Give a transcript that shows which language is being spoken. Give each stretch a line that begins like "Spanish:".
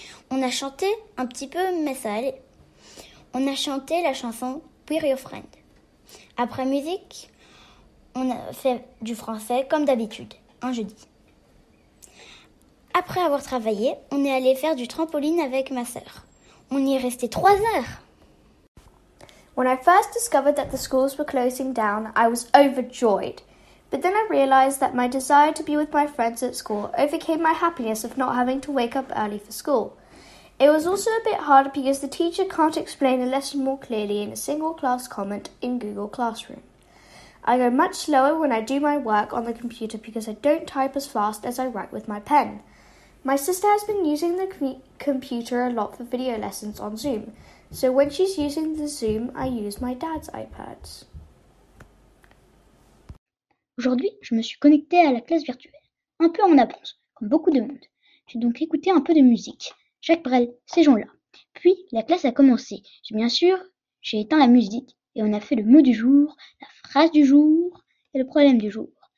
French: On a chanté un petit peu, mais ça allait. On a chanté la chanson « We're Your Friend ». Après musique, on a fait du français comme d'habitude, un jeudi. Après avoir travaillé, on est allé faire du trampoline avec ma sœur. On y est resté 3 heures.
English: When I first discovered that the schools were closing down, I was overjoyed. But then I realized that my desire to be with my friends at school overcame my happiness of not having to wake up early for school. It was also a bit harder because the teacher can't explain a lesson more clearly in a single class comment in Google Classroom. I go much slower when I do my work on the computer because I don't type as fast as I write with my pen. My sister has been using the computer a lot for video lessons on Zoom, so when she's using the Zoom, I use my dad's iPads.
French: Aujourd'hui, je me suis connectée à la classe virtuelle, un peu en avance, comme beaucoup de monde. J'ai donc écouté un peu de musique. Jacques Brel, ces gens-là. Puis, la classe a commencé. Bien sûr, j'ai éteint la musique et on a fait le mot du jour, la phrase du jour et le problème du jour.